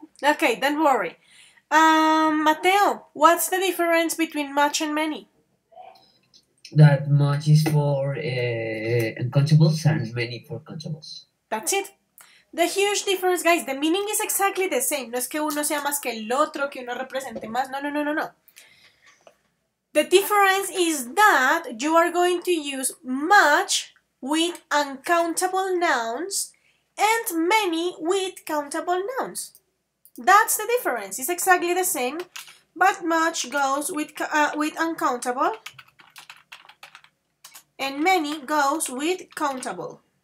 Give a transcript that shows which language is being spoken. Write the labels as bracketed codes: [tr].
[en] Okay, don't worry. Mateo, what's the difference between much and many? That much is for uncountables and many for countables. That's it. The huge difference, guys, the meaning is exactly the same. [es] No es que uno sea más que el otro, que uno represente más. No, no, no, no, no. [en] The difference is that you are going to use much with uncountable nouns and many with countable nouns. That's the difference. It's exactly the same, but much goes with uncountable and many goes with countable.